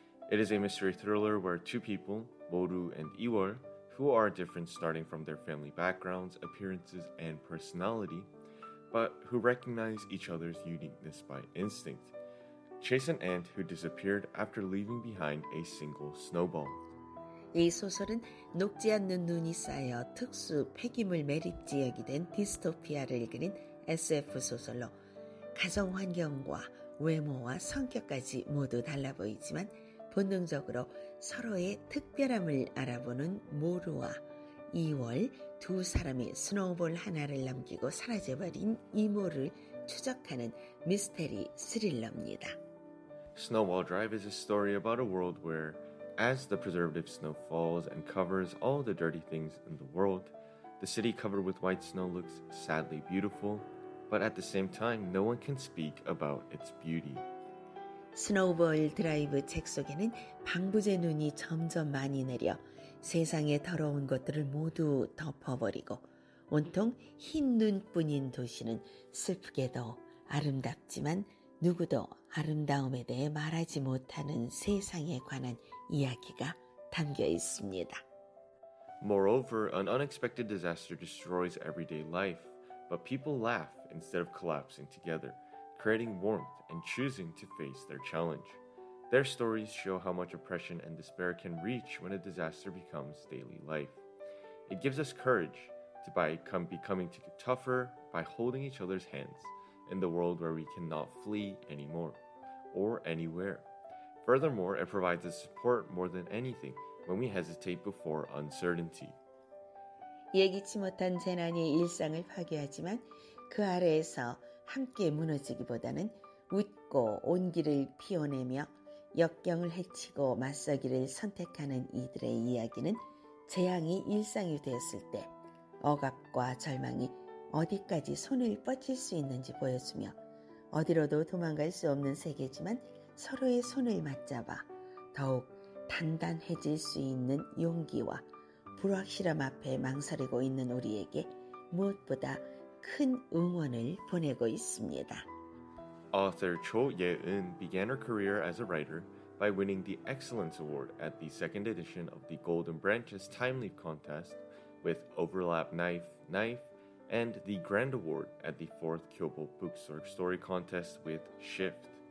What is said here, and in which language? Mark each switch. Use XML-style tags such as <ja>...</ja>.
<en>It is a mystery thriller where two people, Moru and Iwar, who are different starting from their family backgrounds, appearances, and personality, but who recognize each other's uniqueness by instinct, chase an ant who disappeared after leaving behind a single snowball.</en> <ko>이 소설은 녹지 않는 눈이 쌓여 특수 폐기물 매립 지역이 된 디스토피아를 그린 SF 소설로 가정 환경과 외모와 성격까지 모두 달라 보이지만 본능적으로 서로의 특별함을 알아보는 모루와 이월 두 사람이 스노우볼 하나를 남기고 사라져버린 이모를 추적하는 미스테리 스릴러입니다.</ko> <en>Snowball Drive is a story about a world where as the preservative snow falls and covers all the dirty things in the world, the city covered with white snow looks sadly beautiful, but at the same time, no one can speak about its beauty.</en> <ko>스노우볼 드라이브 책 속에는 방부제 눈이 점점 많이 내려 세상의 더러운 것들을 모두 덮어버리고 온통 흰 눈뿐인 도시는 슬프게도 아름답지만 누구도 아름다움에 대해 말하지 못하는 세상에 관한 이야기가 담겨 있습니다.</ko> <en>Moreover, an unexpected disaster destroys everyday life, but people laugh instead of collapsing together, creating warmth and choosing to face their challenge. Their stories show how much oppression and despair can reach when a disaster becomes daily life. It gives us courage to becoming tougher by holding each other's hands in the world where we cannot flee anymore or anywhere. Furthermore, it provides us support more than anything when we hesitate before uncertainty.</en> <ko>예기치 못한 재난이 일상을 파괴하지만 그 아래에서 함께 무너지기보다는 웃고 온기를 피워내며 역경을 헤치고 맞서기를 선택하는 이들의 이야기는 재앙이 일상이 되었을 때 억압과 절망이 어디까지 손을 뻗칠 수 있는지 보여주며 어디로도 도망갈 수 없는 세계지만 서로의 손을 맞잡아 더욱 단단해질 수 있는 용기와 불확실함 앞에 망설이고 있는 우리에게 무엇보다 큰 응원을 보내고 있습니다.</ko> <en>Author Cho Ye-eun began her career as a writer by winning the Excellence Award at the second edition of the Golden Branches Time Leap Contest with Overlap Knife, and the Grand Award at the fourth Kyobo Bookstore Story Contest with Shift.</en>